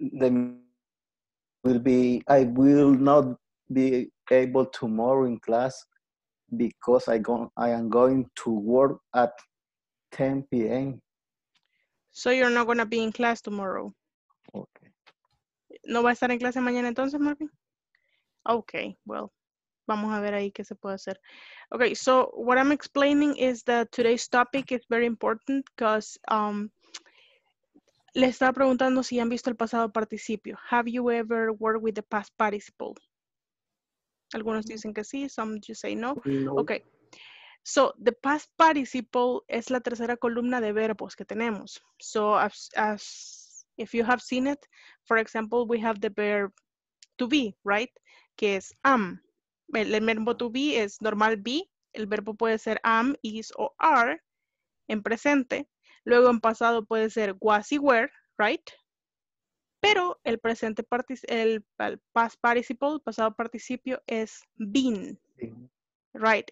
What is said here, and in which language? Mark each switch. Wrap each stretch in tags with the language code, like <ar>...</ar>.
<en>Then I will not be able tomorrow in class because I am going to work at 10 p.m. So you're not going to be in class tomorrow? Okay.</en> <es>¿No va a estar en clase mañana entonces, Marvin? Okay, well. Vamos a ver ahí qué se puede hacer.</es> <en>Okay, so what I'm explaining is that today's topic is very important because le estaba preguntando si han visto el pasado participio. Have you ever worked with the past participle? Algunos dicen que sí, some just say no.</en> <es>Okay, so the past participle es la tercera columna de verbos que tenemos.</es> <en>So as if you have seen it, for example, we have the verb to be, right?</en> <es>Que es am. El verbo to be es normal be. El verbo puede ser am, is o are en presente. Luego en pasado puede ser was y were, right? Pero el presente el past participle, pasado participio, es been, right?</es>